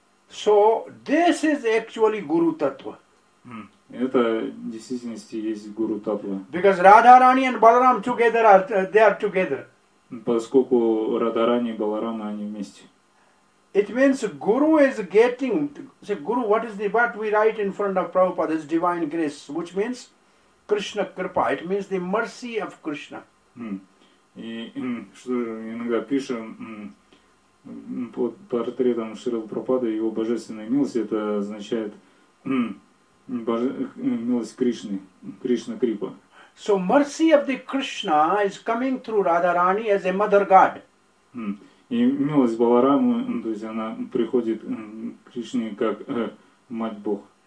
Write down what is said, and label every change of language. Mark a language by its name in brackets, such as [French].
[English] So this is actually Guru Tattva. [Russian] Это в действительности есть Guru Tattva. [English] Because Radharani and Balaram together they are together. [Russian] Поскольку Радхарани и Баларама они вместе. [English] It means Guru is getting, say Guru, what we write in front of Prabhupada, this divine grace, which means Krishna Kripa, it means the mercy of Krishna. [Russian] И что иногда пишем под портретом Шрилы Прабхупады, его божественная милость, это означает милость Кришны, Кришна Крипа. [English] So mercy of the Krishna is coming through Radharani as a mother god. [Russian] И милость Баларамы, то есть она приходит к Кришне как мать-бог.